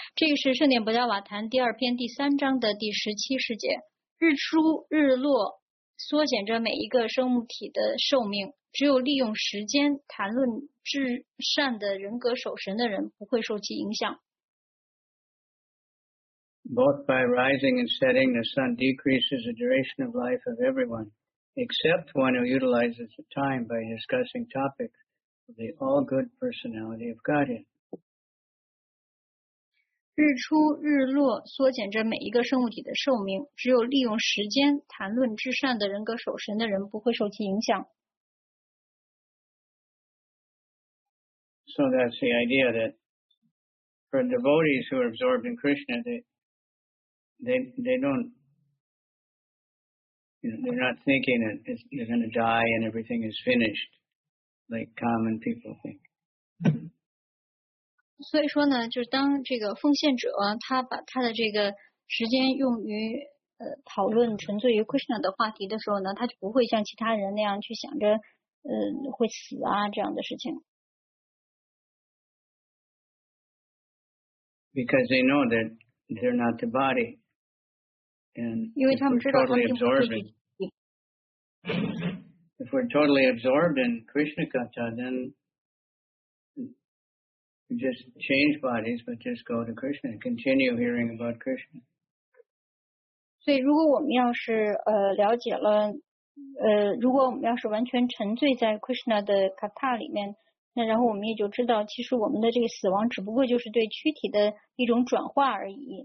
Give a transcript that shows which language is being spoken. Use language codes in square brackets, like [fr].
[zh] 这个是圣典薄伽瓦坛第二篇第三章的第十七世界。日出日落缩减着每一个生物体的寿命。只有利用时间谈论至善的人格守神的人不会受其影响。 [en] Both by rising and setting, the sun decreases the duration of life of everyone, except one who utilizes the time by discussing topics of the all-good personality of Godhead. [zh] 日出日落缩减着每一个生物体的寿命，只有利用时间谈论至善的人格守神的人不会受其影响。 [en] So that's the idea that for devotees who are absorbed in Krishna, they're not thinking that they're going to die and everything is finished, like common people think. [zh] 所以说呢，就是当这个奉献者他把他的这个时间用于讨论纯粹于 Krishna 的话题的时候呢，他就不会像其他人那样去想着会死啊这样的事情。 [en] Because they know that they're not the body. If we're totally absorbed in Krishna Katha, then we just change bodies, but just go to Krishna and continue hearing about Krishna. [zh] 所以如果我们要是了解了如果我们要是完全沉醉在 Krishna 的 Katha 里面，那然后我们也就知道，其实我们的这个死亡只不过就是对躯体的一种转化而已。